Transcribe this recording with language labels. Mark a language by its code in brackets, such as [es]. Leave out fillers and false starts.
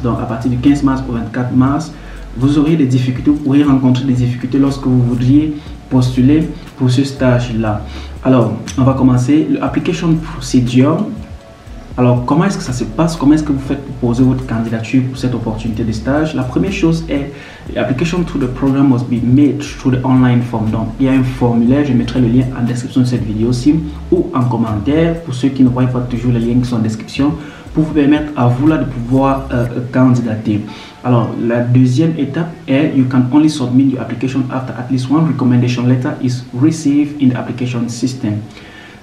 [fr] Donc à partir du 15 mars au 24 mars, vous auriez des difficultés, vous pourriez rencontrer des difficultés lorsque vous voudriez postuler pour ce stage-là. Alors, on va commencer. L'application [en] procedure. [fr] Alors, comment est-ce que ça se passe? Comment est-ce que vous faites pour poser votre candidature pour cette opportunité de stage? La première chose est, [en] l'application through the program must be made through the online form. [fr] Donc, il y a un formulaire, je mettrai le lien en description de cette vidéo aussi ou en commentaire pour ceux qui ne voient pas toujours les liens qui sont en description. pour permettre à vous là de pouvoir candidater. Alors, la deuxième étape est [en] « You can only submit your application after at least one recommendation letter is received in the application system ».